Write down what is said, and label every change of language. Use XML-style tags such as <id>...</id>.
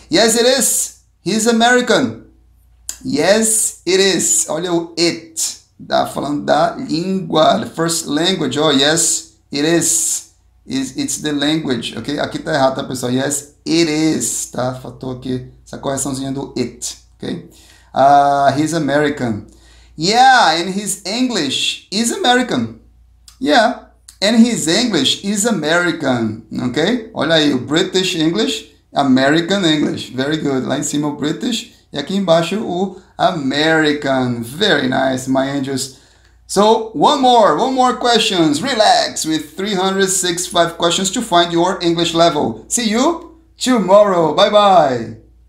<en>Yes, it is. He is American. Yes, it is.</en> <pt>Olha o it. Tá falando da língua,</pt> <en>the first language, oh, yes, it is, it's the language, ok?</en> <pt>Aqui tá errado, tá, pessoal?</pt> <en>Yes, it is,</en> <pt>tá? Faltou aqui essa correçãozinha do it, ok?</pt> <en>He's American. Yeah, and his English is American. Yeah, and his English is American, ok?</en> <pt>Olha aí,</pt> <en>o British English, American English, very good.</en> <pt>Lá em cima o British e aqui embaixo o American.</pt> <en>Very nice, my angels. So, one more questions. Relax with 365 questions to find your English level. See you tomorrow. Bye-bye.</en>